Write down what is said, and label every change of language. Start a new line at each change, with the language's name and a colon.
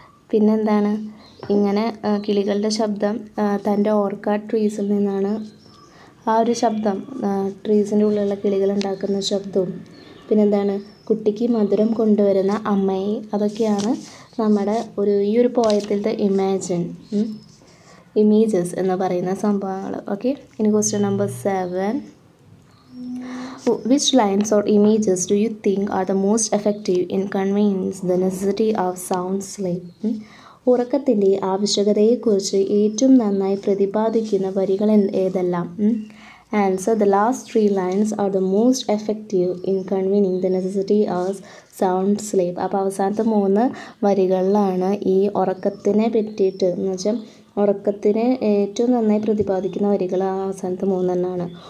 Malayalam: പിന്നെന്താണ്, ഇങ്ങനെ കിളികളുടെ ശബ്ദം തൻ്റെ ഓർക്കാഡ് ട്രീസിൽ നിന്നാണ് ആ ഒരു ശബ്ദം, ട്രീസിൻ്റെ ഉള്ളിലുള്ള കിളികൾ ഉണ്ടാക്കുന്ന ശബ്ദവും. പിന്നെന്താണ്, കുട്ടിക്ക് മധുരം കൊണ്ടുവരുന്ന അമ്മയെ, അതൊക്കെയാണ് നമ്മുടെ ഒരു ഈ ഒരു പോയത്തിലത്തെ ഇമാജിൻ ഇമേജസ് എന്ന് പറയുന്ന സംഭവങ്ങൾ. ഓക്കെ, ഇനി question number 7.
English: Which lines or images do you think are the most effective in conveying the necessity of sound sleep?
Malayalam: ഉറക്കത്തിൻ്റെ ആവശ്യകതയെക്കുറിച്ച് ഏറ്റവും നന്നായി പ്രതിപാദിക്കുന്ന വരികൾ ഏതെല്ലാം?
English: Answer, the last three lines are the most effective in conveying the necessity of sound sleep.
Malayalam: അപ്പോൾ അവസാനത്തെ മൂന്ന് വരികളിലാണ് ഈ ഉറക്കത്തിനെ പറ്റിയിട്ട്, എന്ന് വെച്ചാൽ ഉറക്കത്തിനെ ഏറ്റവും നന്നായി പ്രതിപാദിക്കുന്ന വരികൾ അവസാനത്തെ മൂന്നെണ്ണമാണ്.